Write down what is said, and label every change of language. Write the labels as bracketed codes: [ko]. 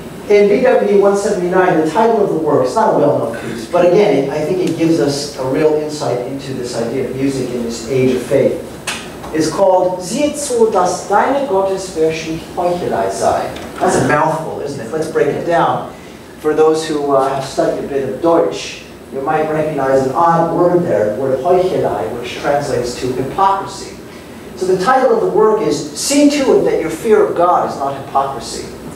[en] In BWV 179, the title of the work, it's not a well-known piece, but again, I think it gives us a real insight into this idea of music in this age of faith. It's called [de] Siehe zu, dass deine Gottesfürchtigkeit Heuchelei sei. [en] That's a mouthful, isn't it? Let's break it down. For those who have studied a bit of Deutsch, you might recognize an odd word there, the word Heuchelei, which translates to hypocrisy. So the title of the work is, See to it that your fear of God is not hypocrisy.